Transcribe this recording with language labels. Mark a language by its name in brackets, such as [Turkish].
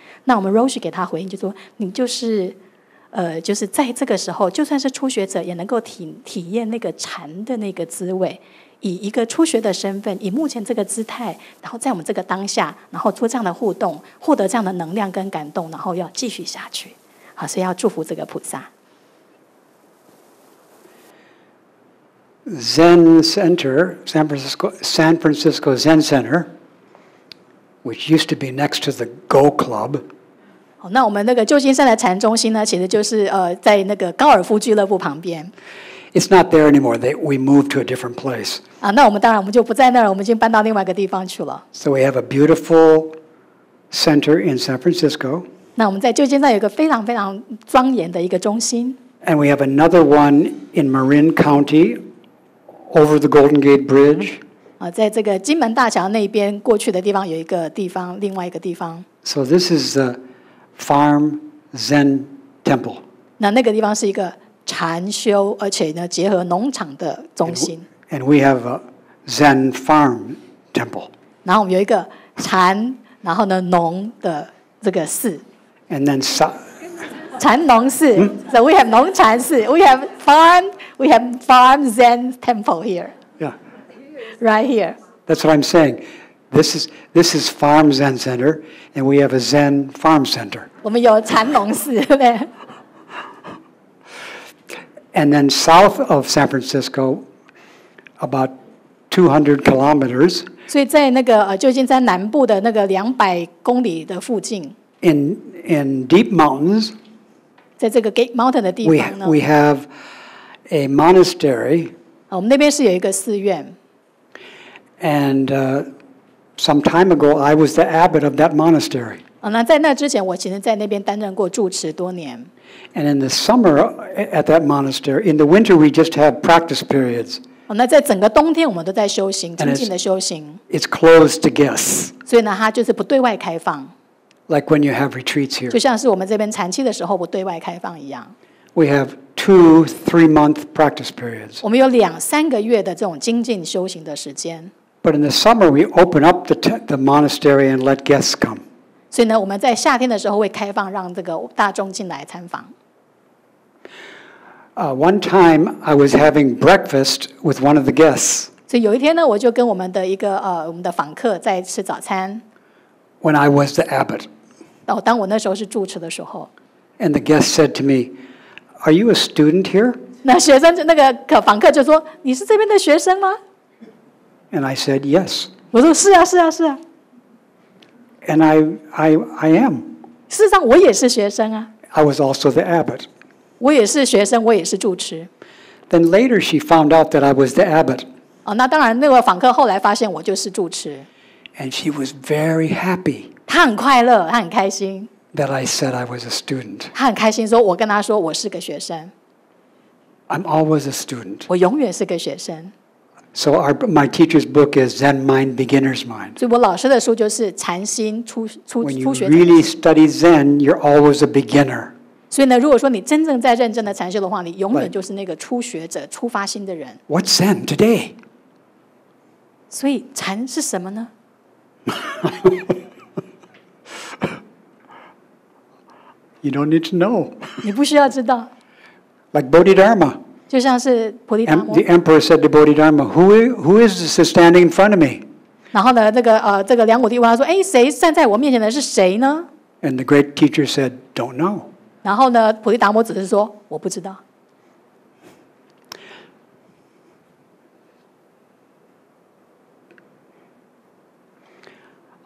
[Chinese] 那我们 Roshi 给他回应就说，你就是就是在这个时候，就算是初学者也能够体验那个禅的那个滋味，以一个初学的身份，以目前这个姿态，然后在我们这个当下，然后做这样的互动，获得这样的能量跟感动，然后要继续下去。好，所以要祝福这个菩萨。 [English] Zen Center, San Francisco Zen Center, which used to be next to the Go Club. [Chinese] 好，那我们那个旧金山的禅中心呢，其实就是在那个高尔夫俱乐部旁边。 [English] It's not there anymore. We moved to a different place. [Chinese] 啊，那我们当然我们就不在那儿，我们已经搬到另外一个地方去了。 [English] So we have a beautiful center in San Francisco. [Chinese] 那我们在旧金山有一个非常非常庄严的一个中心。 [English] And we have another one in Marin County, over the Golden Gate Bridge. [Chinese] 在这个金门大桥那边过去的地方有一个地方，另外一个地方。 [English] So this is the Farm Zen Temple. [Chinese] 那个地方是一个禅修，而且呢结合农场的中心。 [English] And we have a Zen Farm Temple. [Chinese] 然后我们有一个禅，然后呢农的这个寺。 [English] And then 禅农寺 So we have 农禅寺 We have farm Zen temple here. Yeah. Right here. That's what I'm saying. This is farm Zen center, and we have a Zen farm center. [Chinese] 我们有禅农寺 [English] And then south of San Francisco, about 200 kilometers. [Chinese] 所以在那个旧金山南部的那个200公里的附近。 [English] In deep mountains, [Chinese] 在这个 Gate Mountain 的地方呢 [English] we have a monastery. [Chinese] 我们那边是有一个寺院。 [English] And some time ago, I was the abbot of that monastery. [Chinese] 那在那之前，我其实在那边担任过住持多年。 [English] And in the summer at that monastery, in the winter we just have practice periods. [Chinese] 那在整个冬天，我们都在修行，精进的修行。 [English] It's closed to guests. [Chinese] 所以呢，它就是不对外开放。 [English] Like when you have retreats here. [Chinese] 就像是我们这边禅期的时候不对外开放一样。 [English] We have 2-3 month practice periods. [Chinese] 我们有两三个月的这种精进修行的时间。 [English] But in the summer, we open up the monastery and let guests come. [Chinese] 所以呢，我们在夏天的时候会开放让这个大众进来参访。 [English] One time, I was having breakfast with one of the guests. [Chinese] 所以有一天呢，我就跟我们的一个我们的访客在吃早餐。 [English] When I was the abbot, [Chinese] 当我那时候是住持的时候 [English] ，and the guest said to me, "Are you a student here?" [Chinese] 那学生就那个客房客就说，你是这边的学生吗 [English] ？And I said, "Yes." [Chinese] 我说是啊，是啊，是啊。 [English] And I am. [Chinese] 事实上，我也是学生啊。 [English] I was also the abbot. [Chinese] 我也是学生，我也是住持。 [English] Then later, she found out that I was the abbot. [Chinese] 那当然，那个房客后来发现我就是住持。 [English] And she was very happy. [Chinese] 她很快乐，她很开心。 [English] That I said I was a student. [Chinese] 她很开心，说我跟她说我是个学生。 [English] I'm always a student. [Chinese] 我永远是个学生。 [English] So my teacher's book is Zen Mind, Beginner's Mind. [Chinese] 所以我老师的书就是禅心初学。 [English] When you really study Zen, you're always a beginner. [Chinese] 所以呢，如果说你真正在认真的禅修的话，你永远就是那个初学者、初发心的人。 [English] What's Zen today? [Chinese] 所以禅是什么呢？ [English] You don't need to know. [Chinese] 你不需要知道。 [English] Like Bodhidharma. [Chinese] 就像是菩提达摩。 [English] The emperor said to Bodhidharma, "Who is this standing in front of me?" [Chinese] 然后呢，这个梁武帝问他说：“哎，谁站在我面前的是谁呢？” [English] And the great teacher said, "Don't know." [Chinese] 然后呢，菩提达摩只是说：“我不知道。”